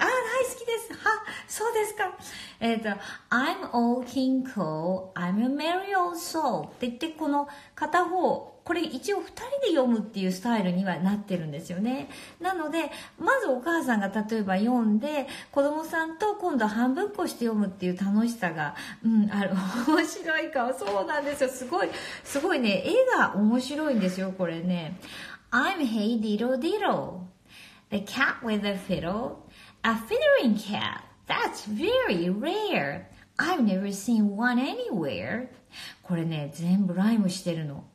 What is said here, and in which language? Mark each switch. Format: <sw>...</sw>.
<ja>あ、大好きです。は、そうですか。</ja> <en>I'm old King Cole, I'm a merry old soul</en> <ja>って言って、この片方、これ一応二人で読むっていうスタイルにはなってるんですよね。なので、まずお母さんが例えば読んで、子供さんと今度半分っこして読むっていう楽しさが、うん、ある。面白い顔。そうなんですよ。すごい、すごいね。絵が面白いんですよ、これね。</ja> <en>I'm Hey Diddle Diddle, the cat with a fiddle, a fiddling cat, that's very rare, I've never seen one anywhere.</en> <ja>これね、全部ライムしてるの。</ja>